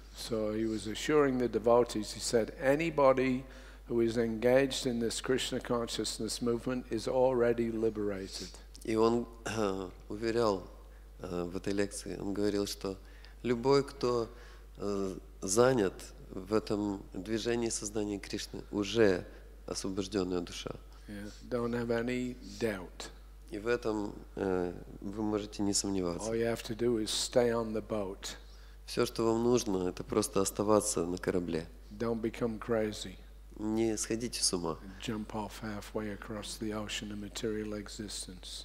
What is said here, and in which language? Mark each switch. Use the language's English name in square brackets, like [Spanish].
[English] So he was assuring the devotees, he said, anybody who is engaged in this Krishna consciousness movement is already liberated. [Russian] И он уверял в этой лекции, он говорил, что любой, кто занят в этом движении сознания Кришны, уже освобожденная душа. [English] Yeah, don't have any doubt. [Russian] И в этом вы можете не сомневаться. [English] All you have to do is stay on the boat. [Russian] Все, что вам нужно, это просто оставаться на корабле. [English] Don't become crazy. [Russian] Не сходите с ума. [English] Jump off halfway across the ocean of material existence.